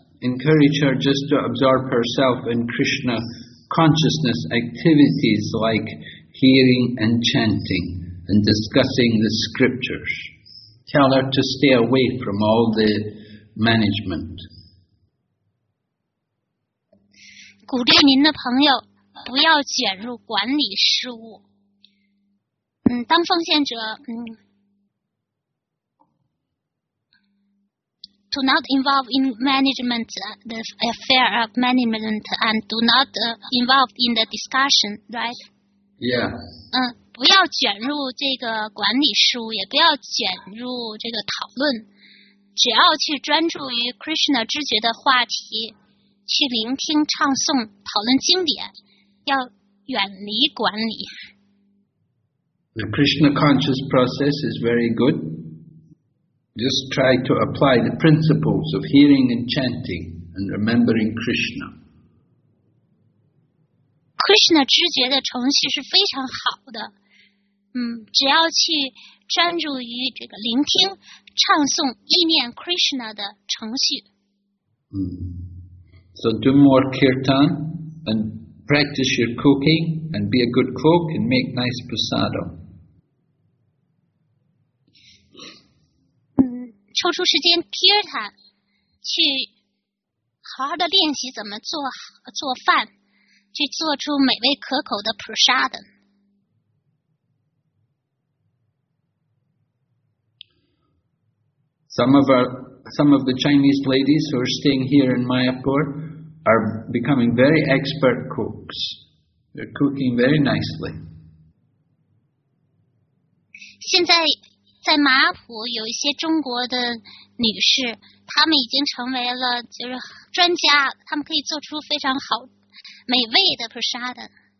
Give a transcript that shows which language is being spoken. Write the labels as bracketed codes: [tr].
[en] Encourage her just to absorb herself in Krishna consciousness activities like hearing and chanting and discussing the scriptures. Tell her to stay away from all the management. [zh] 鼓励您的朋友不要卷入管理事务。当奉献者 [en] do not involve in management the affair of management and do not involve in the discussion, right? Yeah. [zh] 不要卷入这个管理事务，也不要卷入这个讨论，只要去专注于 Krishna 知觉的话题，去聆听、唱诵、讨论经典，要远离管理。 [en] The Krishna conscious process is very good. Just try to apply the principles of hearing and chanting and remembering Krishna. [zh] Krishna 知觉的程序是非常好的。只要去专注于这个聆听、唱诵、意念 Krishna 的程序。 [en] So do more kirtan and practice your cooking and be a good cook and make nice prasada. [zh] 抽出时间 kirtan 去好好的练习怎么做饭，去做出美味可口的 prasada。 [en] Some of the Chinese ladies who are staying here in Mayapur are becoming very expert cooks. They're cooking very nicely. [zh] 现在在马普有一些中国的女士，她们已经成为了就是专家，她们可以做出非常好美味的 prasada。